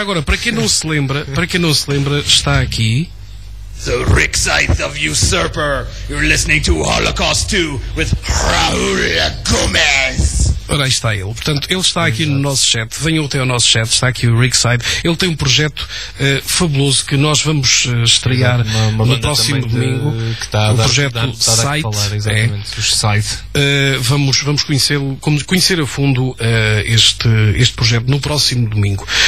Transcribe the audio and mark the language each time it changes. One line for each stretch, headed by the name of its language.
Portuguese: agora, para quem não se lembra, está aqui
English: The Rick Scythe of Usurper. You're listening to Holocaust 2 with Raul Gomez.
Portuguese: Ora, aí está ele. Portanto, ele está aqui no nosso chat. Venham até ao nosso chat. Está aqui o Rick Scythe. Ele tem um projeto fabuloso que nós vamos estrear uma no próximo domingo. O projeto Scythe. Vamos conhecê-lo, conhecer a fundo este projeto no próximo domingo.